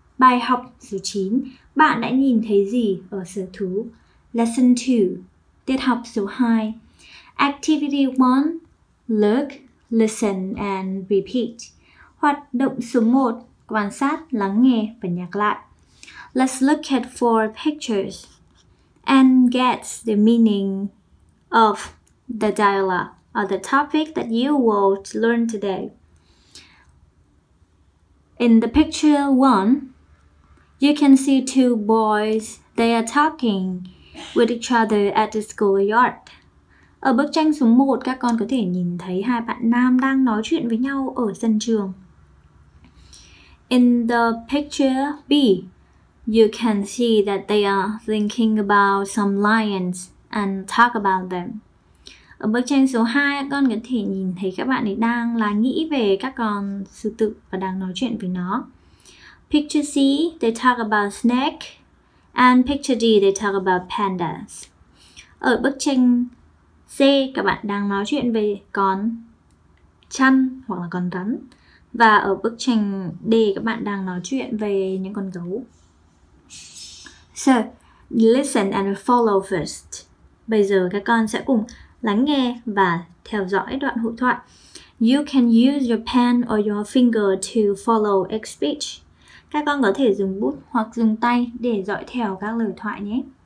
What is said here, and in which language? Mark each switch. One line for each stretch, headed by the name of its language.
Vietnamese: Bài học số 9, bạn đã nhìn thấy gì ở sở thú?
English: Lesson 2,
Vietnamese: tiết học số 2.
English: Activity 1, look, listen and repeat.
Vietnamese: Hoạt động số 1, quan sát, lắng nghe và nhắc lại.
English: Let's look at 4 pictures and get the meaning of the dialogue or the topic that you will learn today. In the picture 1, you can see 2 boys. They are talking with each other at the schoolyard.
Vietnamese: Ở bức tranh số 1, các con có thể nhìn thấy 2 bạn nam đang nói chuyện với nhau ở sân trường.
English: In the picture B, you can see that they are thinking about some lions and talk about them.
Vietnamese: Ở bức tranh số 2, con có thể nhìn thấy các bạn ấy đang là nghĩ về các con sư tử và đang nói chuyện với nó.
English: Picture C, they talk about snake. And picture D, they talk about pandas.
Vietnamese: Ở bức tranh C, các bạn đang nói chuyện về con chăn hoặc là con rắn. Và ở bức tranh D, các bạn đang nói chuyện về những con gấu.
English: So, listen and follow first.
Vietnamese: Bây giờ các con sẽ cùng lắng nghe và theo dõi đoạn hội thoại.
English: You can use your pen or your finger to follow each speech.
Vietnamese: Các con có thể dùng bút hoặc dùng tay để dõi theo các lời thoại nhé.